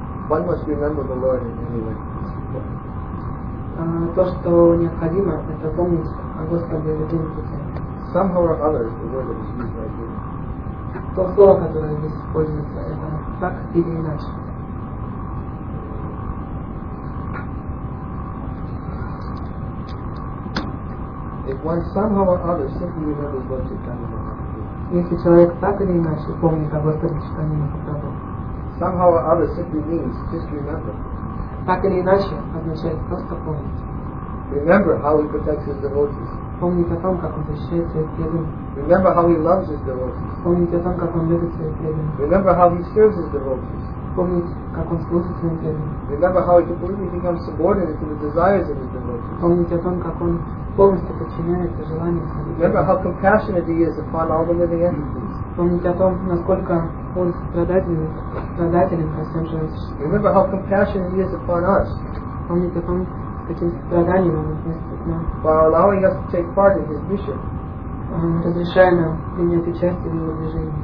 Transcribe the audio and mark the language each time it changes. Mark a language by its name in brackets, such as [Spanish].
[English] One must remember the Lord in any way. [Russian] То, что необходимо, это помнить о Господе в любом случае. [English] Somehow or other, the word that is used right here. [Russian] То слово, которое здесь используется, это так или иначе. [English] If one somehow or other simply remembers what you've done in the heart. [Russian] Если человек так или иначе помнит о Господе Чайтанья Махапрабху. [English] Somehow or other simply means just remember. [Russian] Так или иначе означает просто помнить. [English] Remember how he protects his devotees. [Russian] Помнить о том, как он защищает своих преданных. [English] Remember how he loves his devotees. [Russian] Помнить о том, как он любит своих преданных. [English] Remember how he serves his devotees. [Russian] Помнить, как он служит своим преданным. [English] Remember how he completely becomes subordinate to the desires of his devotees. [Russian] Помнить о том, как он полностью подчиняется желаниям своих. [English] Remember how compassionate he is upon all the living entities. [Russian] Помнить о том, насколько он страдателен ко всем живущим. [English] Remember how compassionate he is upon us. [Russian] Помнить о том, с каким страданием он относится к нам. [English] By allowing us to take part in his mission. [Russian] Разрешая нам принять участие в его движении.